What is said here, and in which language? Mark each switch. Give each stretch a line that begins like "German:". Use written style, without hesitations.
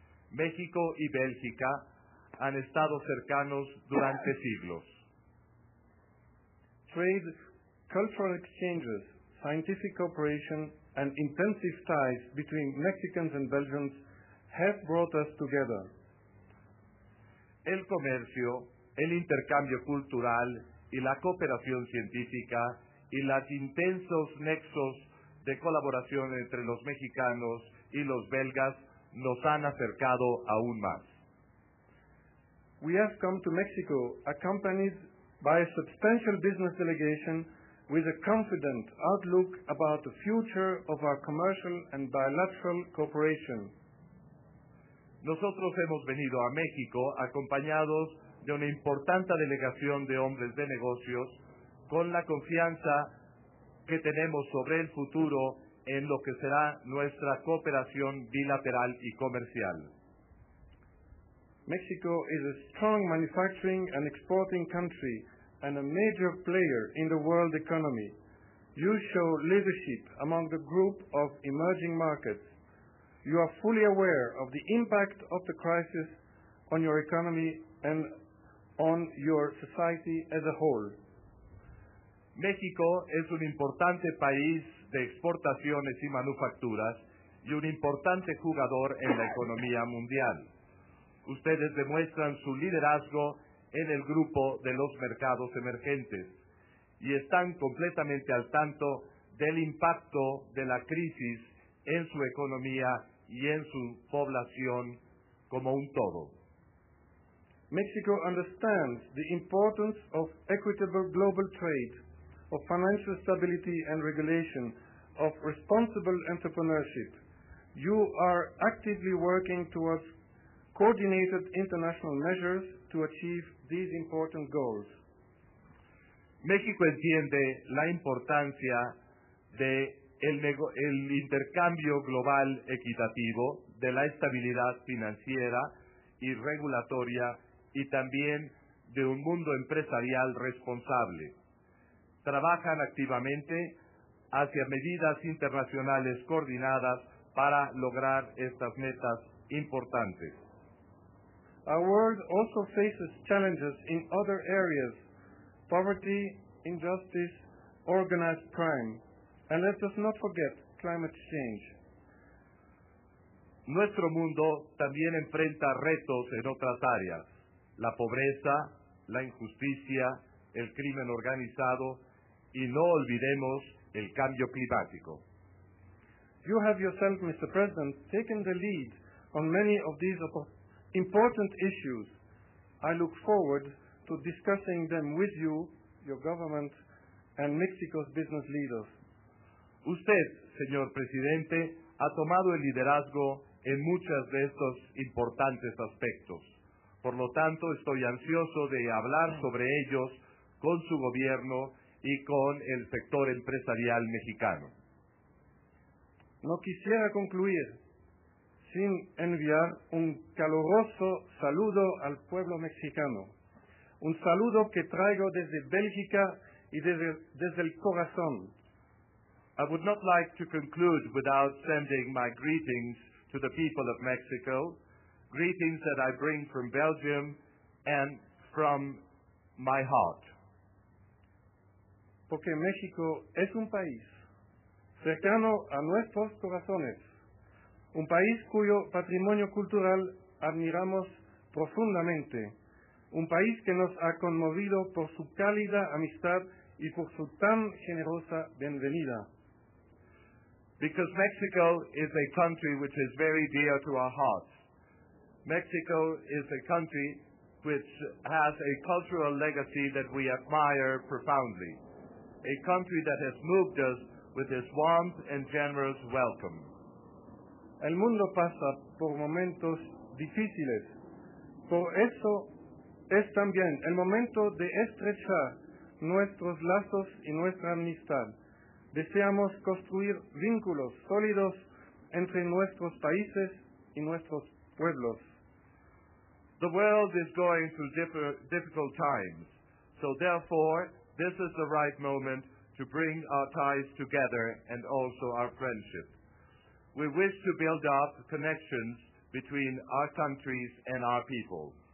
Spanish: México y Bélgica han estado cercanos durante siglos.
English: Trade, cultural exchanges, scientific cooperation, and intensive ties between Mexicans and Belgians have brought us together.
Spanish: El comercio, el intercambio cultural, y la cooperación científica y los intensos nexos de colaboración entre los mexicanos y los belgas nos han acercado aún más.
English: We have come to Mexico accompanied by a substantial business delegation with a confident outlook about the future of our commercial and bilateral cooperation.
Spanish: Nosotros hemos venido a México acompañados de una importante delegación de hombres de negocios con la confianza que tenemos sobre el futuro en lo que será nuestra cooperación bilateral y comercial.
English: Mexico is a strong manufacturing and exporting country and a major player in the world economy. You show leadership among the group of emerging markets. You are fully aware of the impact of the crisis on your economy and on your society as a whole.
Spanish: México es un importante país de exportaciones y manufacturas y un importante jugador en la economía mundial. Ustedes demuestran su liderazgo en el grupo de los mercados emergentes y están completamente al tanto del impacto de la crisis en su economía y en su población como un todo.
English: Mexico understands the importance of equitable global trade, of financial stability and regulation, of responsible entrepreneurship. You are actively working towards coordinated international measures to achieve these important goals.
Spanish: México entiende la importancia de el intercambio global equitativo, de la estabilidad financiera y regulatoria y también de un mundo empresarial responsable. Trabajan activamente hacia medidas internacionales coordinadas para lograr estas metas importantes.
English: Our world also faces challenges in other areas, poverty, injustice, organized crime, and let us not forget climate change.
Spanish: Nuestro mundo también enfrenta retos en otras áreas, la pobreza, la injusticia, el crimen organizado, y no olvidemos el cambio climático.
English: You have yourself, Mr. President, taken the lead on many of these important issues. I look forward to discussing them with you, your government, and Mexico's business leaders.
Spanish: Usted, señor presidente, ha tomado el liderazgo en muchos de estos importantes aspectos. Por lo tanto, estoy ansioso de hablar sobre ellos con su gobierno y con el sector empresarial mexicano. No quisiera concluir sin enviar un caluroso saludo al pueblo mexicano, un saludo que traigo desde Bélgica y desde el corazón.
English: I would not like to conclude without sending my greetings to the people of Mexico, greetings that I bring from Belgium and from my heart.
Spanish: Porque México es un país cercano a nuestros corazones, un país cuyo patrimonio cultural admiramos profundamente, un país que nos ha conmovido por su cálida amistad y por su tan generosa bienvenida.
English: Because Mexico is a country which is very dear to our hearts. Mexico is a country which has a cultural legacy that we admire profoundly. A country that has moved us with its warmth and generous welcome.
Spanish: El mundo pasa por momentos difíciles. Por eso es también el momento de estrechar nuestros lazos y nuestra amistad. Deseamos construir vínculos sólidos entre nuestros países y nuestros pueblos.
English: The world is going through difficult times, so therefore, this is the right moment to bring our ties together and also our friendship. We wish to build up connections between our countries and our people.